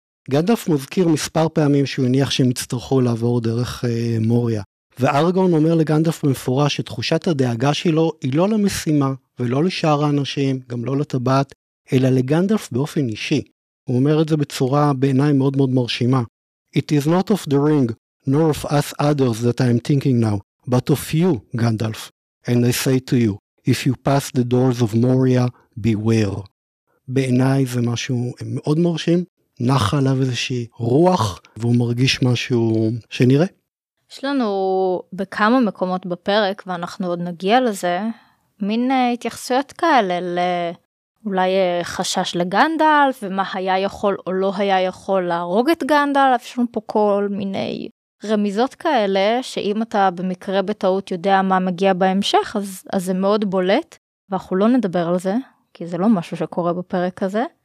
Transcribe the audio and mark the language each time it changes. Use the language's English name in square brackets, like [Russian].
[Hebrew] גנדלף מזכיר מספר פעמים שהוא הניח שהם יצטרכו לעבור דרך מוריה. וארגון אומר לגנדלף במפורש שתחושת הדאגה שלו היא לא למשימה, ולא לשאר האנשים, גם לא לטבעת, אלא לגנדלף באופן אישי. הוא אומר את זה בצורה בעיניים מאוד מאוד מרשימה. [English] It is not of the ring. Nor of us others that I am thinking now, but of you, Gandalf. And I say to you, if you pass the doors of Moria, beware. [Hebrew] בעיניי זה משהו מאוד מרשים, נח עליו איזושהי רוח, והוא מרגיש משהו שנראה. יש לנו בכמה מקומות בפרק, ואנחנו עוד נגיע לזה, מין התייחסויות כאלה אולי חשש לגנדלף, ומה היה יכול או לא היה יכול להרוג את גנדלף, יש לנו פה כל מיני רמיזות כאלה, שאם אתה במקרה בטעות יודע מה מגיע בהמשך, אז זה מאוד בולט, ואנחנו לא נדבר על זה, כי זה לא משהו שקורה בפרק הזה.